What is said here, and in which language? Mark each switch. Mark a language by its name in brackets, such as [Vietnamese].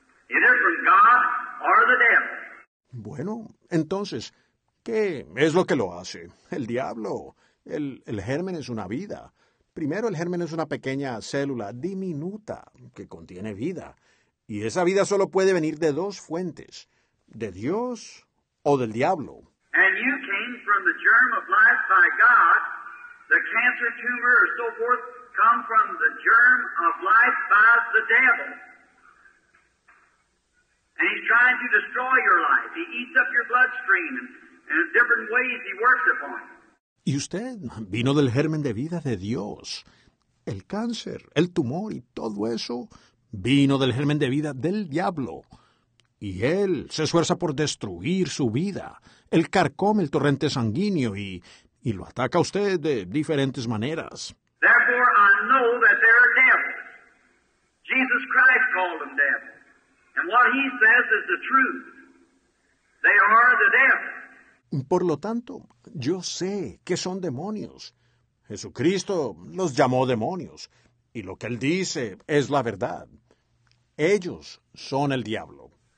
[English] Either from God or the devil. [Spanish] Bueno, entonces, ¿qué es lo que lo hace? El diablo. El germen es una vida. Primero, el germen es una pequeña célula diminuta que contiene vida. Y esa vida solo puede venir de dos fuentes, de Dios o del diablo. [English] And you came from the germ of life by God. The cancer, tumor, or so forth come from the germ of life by the devil. And he's trying to destroy your life. He eats up your bloodstream and in different ways he works upon it. [Spanish] Y usted vino del germen de vida de Dios. El cáncer, el tumor y todo eso vino del germen de vida del diablo. Y él se esfuerza por destruir su vida. Él carcome el torrente sanguíneo y lo ataca a usted de diferentes maneras. [English] Therefore, I know that there are devils. Jesus Christ called them devils. And what he says is the truth. They are the devils. [Spanish] Por lo tanto, yo sé que son demonios. Jesucristo los llamó demonios. Y lo que él dice es la verdad. Ellos son el diablo.